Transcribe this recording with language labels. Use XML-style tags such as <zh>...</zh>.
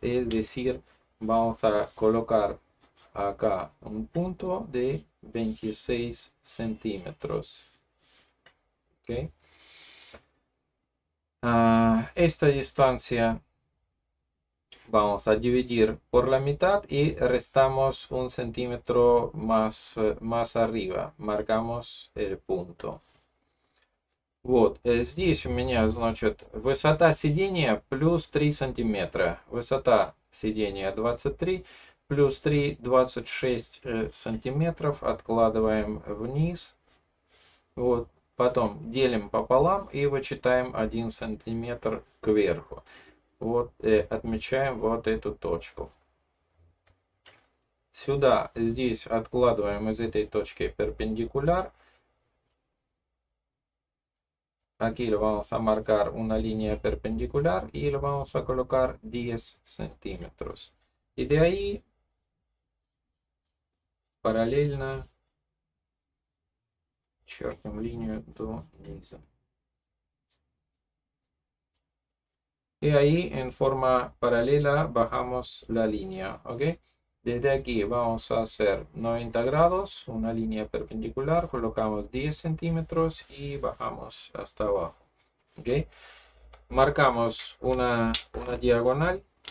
<es>Es decir, vamos a colocar acá un punto de 26 centímetros. Okay. Esta distancia vamos a dividir por la mitad y restamos un centímetro más arriba. Marcamos el punto.</es> <ru>Вот, здесь у меня, значит, высота сидения плюс 3 сантиметра. Высота сидения 23. Плюс 3, 26 сантиметров, откладываем вниз. Вот, потом делим пополам и вычитаем 1 сантиметр кверху. Вот, отмечаем вот эту точку. Сюда, здесь откладываем из этой точки перпендикуляр.</ru> <es>Aquí lo vamos a marcar una línea perpendicular y lo vamos a colocar 10 сантиметров.</es> <ru>И</ru> <es>de ahí</es> <ru>параллельно чертим линию до низа.</ru> <es>И ahí en forma paralela bajamos la línea. Okay? Desde aquí vamos a hacer 90 grados, una línea perpendicular, colocamos 10 centímetros y bajamos hasta abajo. Okay? Marcamos una diagonal.</es>